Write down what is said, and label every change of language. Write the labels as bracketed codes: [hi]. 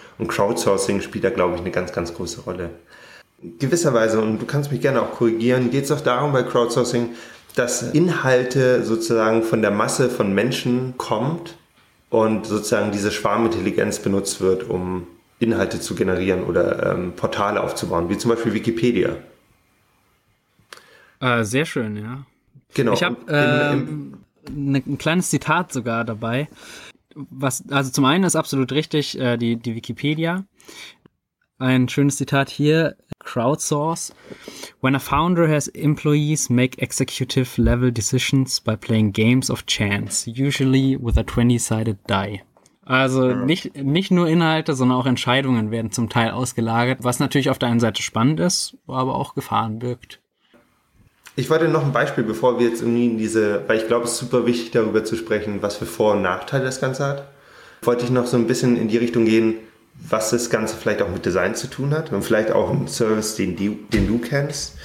[de] Und Crowdsourcing spielt da, glaube ich, eine ganz, ganz große Rolle. Gewisserweise, und du kannst mich gerne auch korrigieren, geht es auch darum bei Crowdsourcing, dass Inhalte sozusagen von der Masse von Menschen kommt und sozusagen diese Schwarmintelligenz benutzt wird, um Inhalte zu generieren oder Portale aufzubauen, wie zum Beispiel Wikipedia. Sehr schön, ja. Genau. Ich habe ein kleines Zitat sogar dabei. Also zum einen ist absolut richtig, die Wikipedia. Ein schönes Zitat hier, Crowdsource. [en] When a founder has employees make executive level decisions by playing games of chance, usually with a 20-sided die. [de] Also nicht nur Inhalte, sondern auch Entscheidungen werden zum Teil ausgelagert, was natürlich auf der einen Seite spannend ist, aber auch Gefahren birgt. Ich wollte noch ein Beispiel, bevor wir jetzt irgendwie in diese, weil ich glaube, es ist super wichtig, darüber zu sprechen, was für Vor- und Nachteile das Ganze hat. Wollte ich noch so ein bisschen in die Richtung gehen, was das Ganze vielleicht auch mit Design zu tun hat und vielleicht auch im Service, den du kennst.